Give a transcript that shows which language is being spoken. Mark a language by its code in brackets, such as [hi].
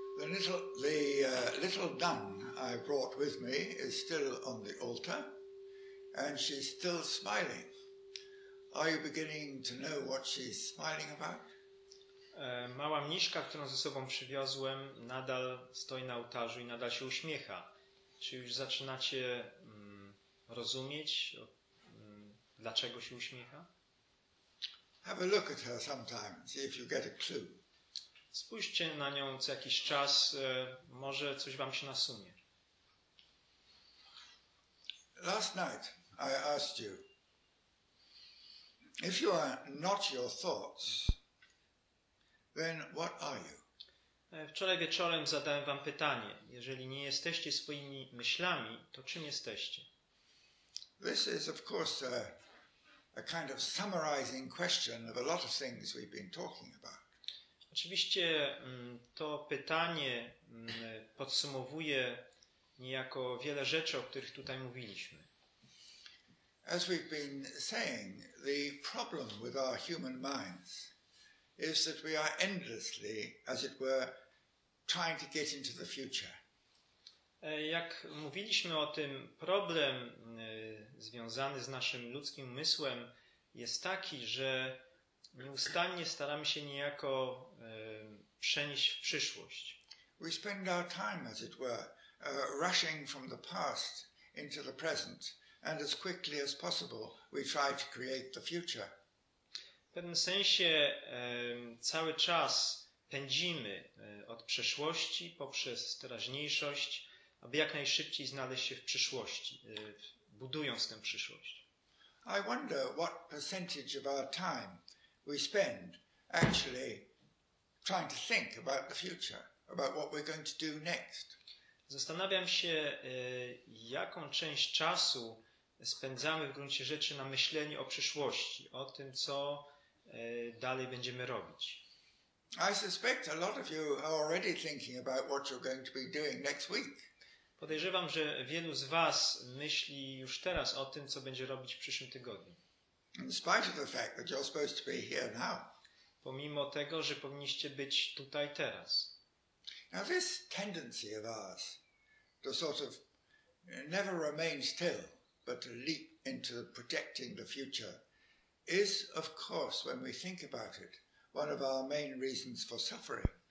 [en] The little nun I brought with me is still on the altar, and she's still smiling. Are you beginning to know what she's smiling about? [pl] Mała mniszka, którą ze sobą przywiozłem, nadal stoi na ołtarzu i nadal się uśmiecha. Czy już zaczynacie rozumieć, dlaczego się uśmiecha? [en] Have a look at her sometime, see if you get a clue. [pl] Spójrzcie na nią co jakiś czas, może coś wam się nasunie. [en] Last night I asked you, if you are not your thoughts, then what are you? [pl] Wczoraj wieczorem zadałem wam pytanie, jeżeli nie jesteście swoimi myślami, to czym jesteście? [en] This is of course a kind of summarizing question of a lot of things we've been talking about. [pl] Oczywiście to pytanie podsumowuje niejako wiele rzeczy, o których tutaj mówiliśmy. [en] As we've been saying, the problem with our human minds is that we are endlessly, as it were, trying to get into the future. [pl] Jak mówiliśmy o tym, problem związany z naszym ludzkim umysłem jest taki, że nieustannie staramy się niejako przenieść w przyszłość. [en] We spend our time, as it were, rushing from the past into the present, and as quickly as possible we try to create the future. [pl] W pewnym sensie cały czas pędzimy od przeszłości poprzez teraźniejszość, aby jak najszybciej znaleźć się w przyszłości, budując tę przyszłość. [en] I wonder what percentage of our time we spend actually trying to think about the future, about what we're going to do next. [pl] Zastanawiam się, jaką część czasu spędzamy w gruncie rzeczy na myślenie o przyszłości, o tym, co dalej będziemy robić. [en] I suspect a lot of you are already thinking about what you're going to be doing next week. [pl] Podejrzewam, że wielu z was myśli już teraz o tym, co będzie robić w przyszłym tygodniu. [en] In spite of the fact that you're supposed to be here now. [pl] Pomimo tego, że powinniście być tutaj teraz. [en] Now this tendency of ours to sort of never remain still, but to leap into projecting the future is of course, when we think about it, one of our main reasons for suffering.